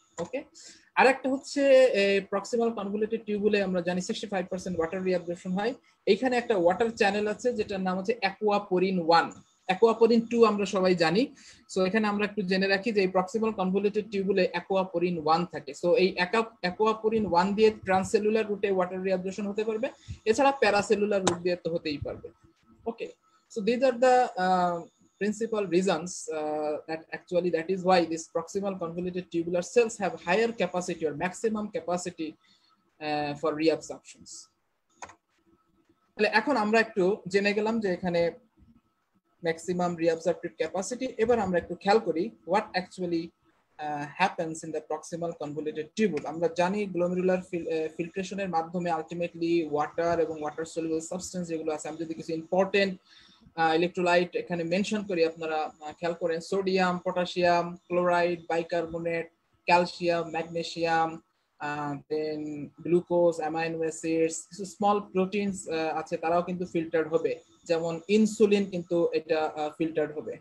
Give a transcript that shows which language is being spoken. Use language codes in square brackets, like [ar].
[bn] ওকে, আর একটা হচ্ছে proximal convoluted টিউবুলে আমরা জানি 65% ওয়াটার রিঅ্যাবজর্পশন হয়, এইখানে একটা ওয়াটার চ্যানেল আছে যেটার নাম হচ্ছে অ্যাকোয়াপোরিন ওয়ান। অ্যাকোয়াপোরিন টু আমরা সবাই জানি, সো এখানে আমরা একটু জেনে রাখি যে এই প্রক্সিমাল কনভলিউটেড টিউবুলে অ্যাকোয়াপোরিন ওয়ান থাকে। সো এই অ্যাকোয়াপোরিন ওয়ান দিয়ে ট্রান্সসেলুলার রুটে ওয়াটার রিঅ্যাবজর্পশন হতে পারবে, এছাড়া প্যারাসেলুলার রুট দিয়ে তো হতেই পারবে। [en] Okay, so these are the principal reasons that actually that is why this proximal convoluted tubular cells have higher capacity or maximum capacity for reabsorptions. [bn] তাহলে এখন আমরা একটু জেনে গেলাম যে এখানে ম্যাক্সিমাম রিঅ্যাবসর্পটিভ ক্যাপাসিটি। এবার আমরা একটু খেয়াল করি [en] What actually happens in the proximal convoluted tube. [bn] আমরা জানি গ্লোমেরুলার ফিল্ট্রেশনের মাধ্যমে আলটিমেটলি ওয়াটার এবং ওয়াটার সলুবল সাবস্টেন্স যেগুলো আছে, আমি যদি কিছু ইম্পর্টেন্ট ইলেকট্রোলাইট এখানে মেনশন করি আপনারা খেয়াল করেন, sodium, potassium, chloride, bicarbonate, calcium, magnesium, দেন গ্লুকোজ, অ্যামাইনো অ্যাসিডস, কিছু স্মল প্রোটিনস আছে, তারাও কিন্তু ফিল্টার্ড হবে, যেমন ইনসুলিন কিন্তু এটা ফিল্টার্ড হবে।